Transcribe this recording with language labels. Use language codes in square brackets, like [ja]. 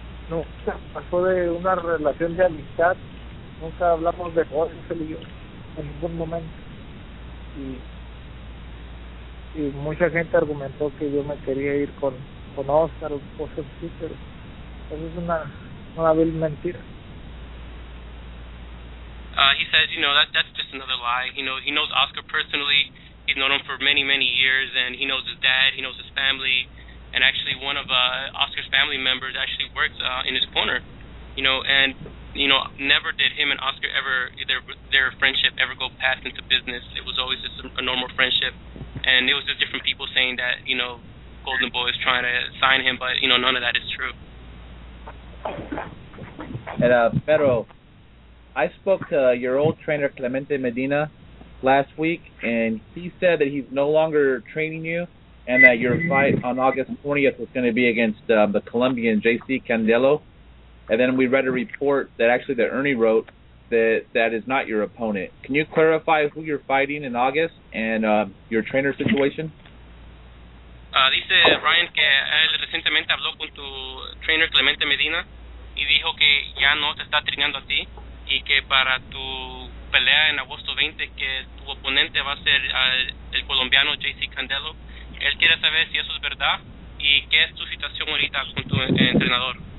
[es] No, pasó de una relación de amistad, nunca hablamos de Jorge y yo en ningún momento. Y mucha gente argumentó que yo me quería ir con Oscar o cosas así, pero eso es una vil mentira. [en] He says, you know, that's just another lie. You know, he knows Oscar personally, he's known him for many, many years, and he knows his dad, he knows his family. And actually, one of Oscar's family members actually works in his corner, you know. And you know, never did him and Oscar ever their friendship ever go past into business. It was always just a normal friendship, and it was just different people saying that, you know, Golden Boy is trying to sign him, but you know, none of that is true. And Pedro, I spoke to your old trainer Clemente Medina last week, and he said that he's no longer training you. And that your fight on August 20th was going to be against the Colombian JC Candelo. And then we read a report that actually that Ernie wrote that is not your opponent. Can you clarify who you're fighting in August and your trainer situation? [es] Dice Ryan que él recientemente habló con tu trainer Clemente Medina y dijo que ya no te está entrenando a ti y que para tu pelea en agosto 20 que tu oponente va a ser el colombiano JC Candelo. Él quiere saber si eso es verdad y qué es tu situación ahorita con tu entrenador.